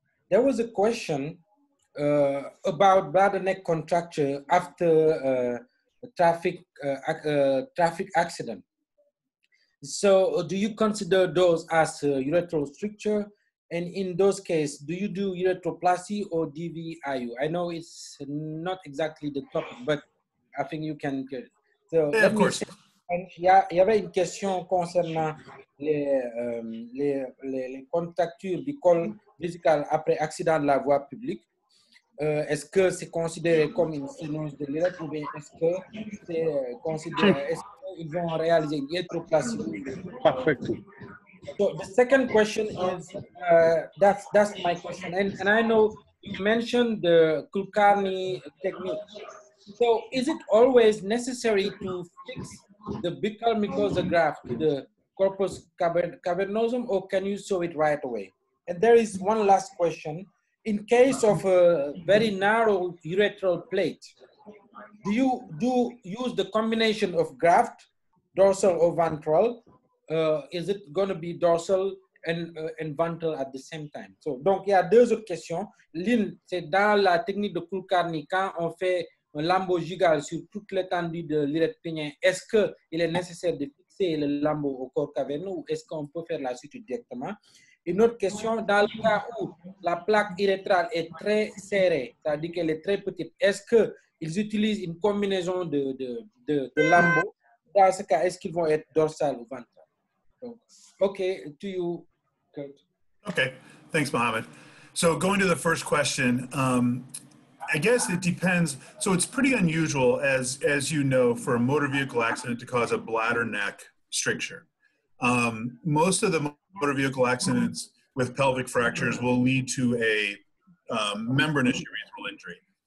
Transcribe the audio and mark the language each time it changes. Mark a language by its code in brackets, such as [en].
[en] There was a question about bladder neck contracture after a traffic accident. So do you consider those as a urethral stricture? And in those cases, do you do ureteroplasty or DVIU? I know it's not exactly the topic, but I think you can get it. So yeah, of course. [fr] Il y avait une question concernant les contractures du col vésical après accident de la voie publique. Est-ce que c'est considéré comme une sinus de l'urètre ou bien est-ce que c'est considéré, est-ce qu'ils vont réaliser une urethroplastie? [en] Perfect. So the second question is, that's my question. And I know you mentioned the Kulkarni technique. So is it always necessary to fix the buccal mucosa graft to the corpus cavernosum or can you sew it right away? And there is one last question. In case of a very narrow urethral plate, do you use the combination of graft, dorsal or ventral? Is it going to be dorsal and ventral at the same time? [fr] So, donc, il y a deux autres questions. L'une, c'est dans la technique de Kulkarni, quand on fait un lambeau gigal sur toute l'étendue de l'urètre pénien, est-ce qu'il est nécessaire de fixer le lambeau au corps caverneux ou est-ce qu'on peut faire la suture directement? Une autre question, dans le cas où la plaque urétrale est très serrée, c'est-à-dire qu'elle est très petite, est-ce qu'ils utilisent une combinaison de lambeaux? Dans ce cas, est-ce qu'ils vont être dorsal ou ventral? [en] Okay, to you, Kurt. Okay, thanks, Mohammed. So going to the first question, I guess it depends. So it's pretty unusual, as you know, for a motor vehicle accident to cause a bladder neck stricture. Most of the motor vehicle accidents with pelvic fractures will lead to a membranous urethral injury.